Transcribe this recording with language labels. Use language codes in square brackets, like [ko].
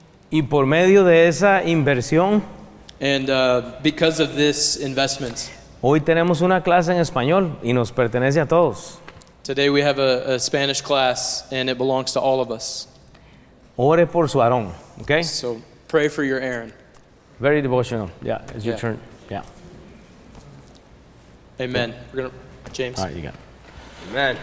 [es] Y por medio de esa inversión, [en] and because of this investment, [es] hoy tenemos una clase en español y nos pertenece a todos. [en] Today we have a Spanish class and it belongs to all of us. [es] Ore por su Aarón, okay? [en] So pray for your Aaron. Very devotional. Yeah, it's your turn. Yeah. Amen. Yeah. We're gonna, James. All right, you got it. Amen.